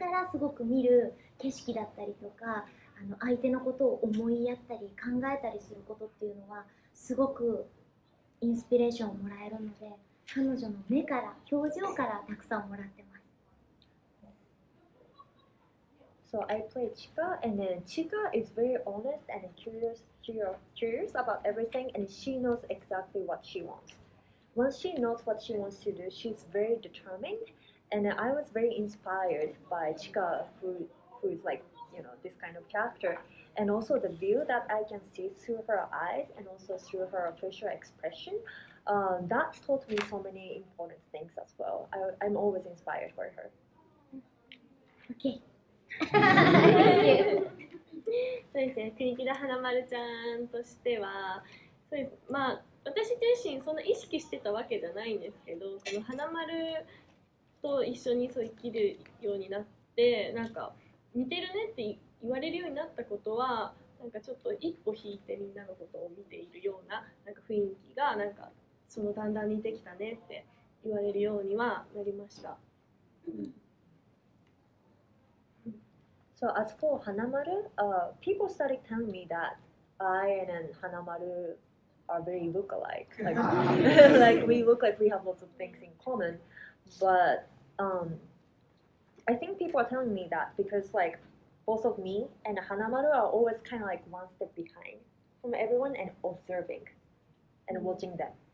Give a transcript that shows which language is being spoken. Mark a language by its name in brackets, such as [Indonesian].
[Japanese] すごく見る景色だったりとか、あの相手のことを思いやったり考えたりすることっていうのはすごくインスピレーションをもらえるので、彼女の目から、表情からたくさんもらってます。 [English] So I play Chika, and then Chika is very honest and curious about everything, and she knows exactly what she wants. Once she knows what she wants to do, she's very determined, and I was very inspired by Chika, who is like, you know, this kind of character. And also the view that I can see through her eyes and also through her facial expression,that taught me so many important things as well. I'm always inspired by her. Okay. [Japanese] そうですね。国木田花丸ちゃんとしては、そうです。まあ私自身そんな意識してたわけじゃないんですけど、その花丸と一緒にそう生きるようになって、なんか似てるねって言われるようになったことは、なんかちょっと一歩引いてみんなのことを見ているようななんか雰囲気がなんか。そのだんだん似てきたねって言われるようにはなりました。 [English] So as for Hanamaru, people started telling me that I and Hanamaru are very look alike. Like we look like we have lots of things in common. But I think people are telling me that because like both of me and Hanamaru are always kind of like one step behind from everyone and observing and watching them.